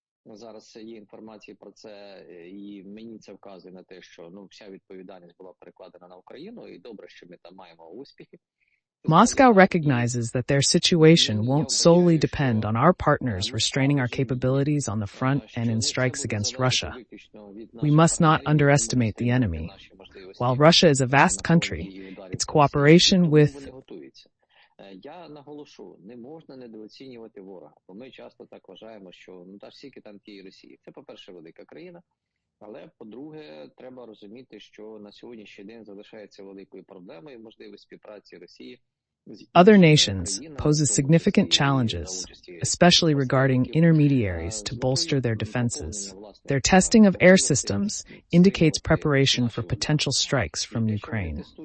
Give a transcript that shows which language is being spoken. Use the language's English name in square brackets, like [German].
[Ukrainian] Зараз є інформація про це, і мені це вказує на те, що вся відповідальність була перекладена на Україну, і добре, що ми там маємо успіхи. [English] Moscow recognizes that their situation won't solely depend on our partners restraining our capabilities on the front and in strikes against Russia. We must not underestimate the enemy. While Russia is a vast country, its cooperation with [Ukrainian] Я наголошу, не можна недооцінювати ворога, бо ми часто так вважаємо, що та ж тільки там тієї Росії. Це, по-перше, велика країна, але, по-друге, треба розуміти, що на сьогоднішній день залишається великою проблемою можливість співпраці Росії. [English] Other nations pose significant challenges, especially regarding intermediaries to bolster their defenses. Their testing of air systems indicates preparation for potential strikes from Ukraine.